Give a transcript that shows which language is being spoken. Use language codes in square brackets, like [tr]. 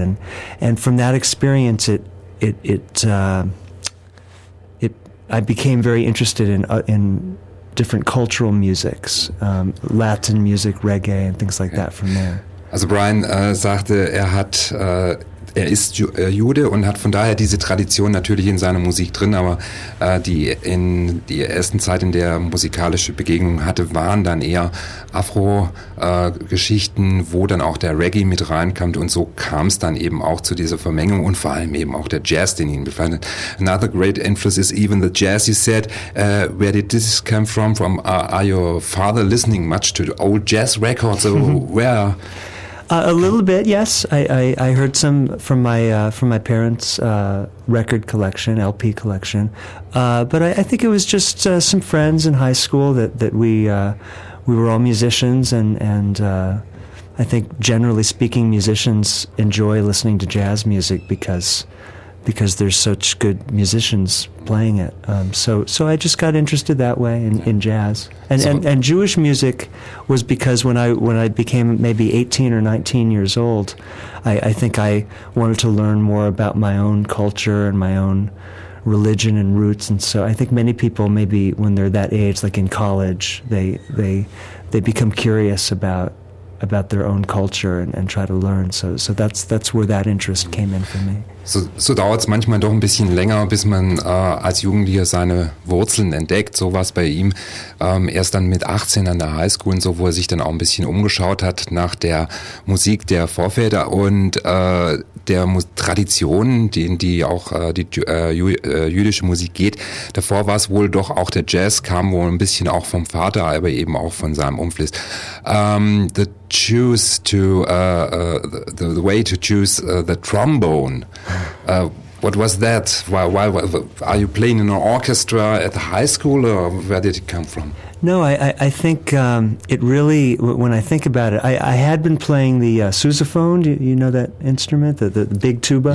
[en] And from that experience, I became very interested in different cultural musics, Latin music, reggae and things like that from there. [de] Also Brian sagte, er ist Jude und hat von daher diese Tradition natürlich in seiner Musik drin, aber die ersten Zeit, in der er musikalische Begegnungen hatte, waren dann eher Afro-Geschichten, wo dann auch der Reggae mit reinkam und so kam es dann eben auch zu dieser Vermengung und vor allem eben auch der Jazz, den ihn befanden. [en] Another great influence is even the jazz, you said. Where did this come from? Are your father listening much to old jazz records? Or where... A little bit, yes. I heard some from my parents' record collection, LP collection, but I think it was just some friends in high school that we were all musicians and I think generally speaking, musicians enjoy listening to jazz music because there's such good musicians playing it. So I just got interested that way in jazz. And Jewish music was because when I became maybe 18 or 19 years old, I think I wanted to learn more about my own culture and my own religion and roots. And so I think many people maybe when they're that age, like in college, they become curious about their own culture and try to learn. So that's where that interest came in for me. [de] So dauert's manchmal doch ein bisschen länger, bis man als Jugendlicher seine Wurzeln entdeckt. So war's bei ihm erst dann mit 18 an der Highschool und so, wo er sich dann auch ein bisschen umgeschaut hat nach der Musik der Vorväter und der Tradition, jüdische Musik geht. Davor war es wohl doch auch der Jazz, kam wohl ein bisschen auch vom Vater, aber eben auch von seinem Umfluss. [en] The choose to the way to choose the trombone. What was that? Why are you playing in an orchestra at the high school, or where did it come from? No, I think it really, when I think about it, I had been playing the sousaphone, you know that instrument, the big tuba?